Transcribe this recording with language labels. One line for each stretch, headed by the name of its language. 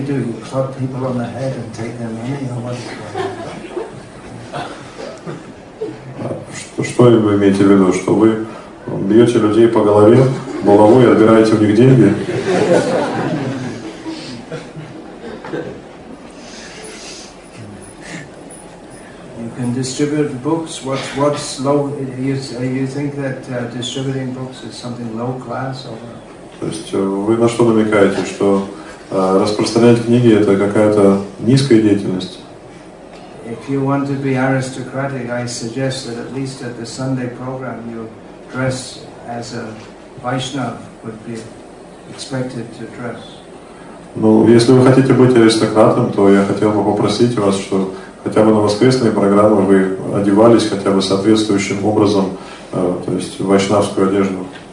English: You club people on the head and take their money, or what?
Russian: Что вы имеете в виду, что вы бьете людей по голове? Булаву и отбираете у них деньги.
English: You can distribute books. What's low? You think that distributing books is something low class or?
Russian: То есть вы на что намекаете, что распространять книги это какая-то низкая деятельность?
English: If you want to be aristocratic, I suggest that at least at the Sunday program you dress as a Vaishnav would be expected to dress.
Russian: Ну, если вы хотите быть аристократом, то я хотел бы попросить вас, что хотя бы на воскресные программы вы одевались хотя бы соответствующим образом, то есть вайшнавскую одежду.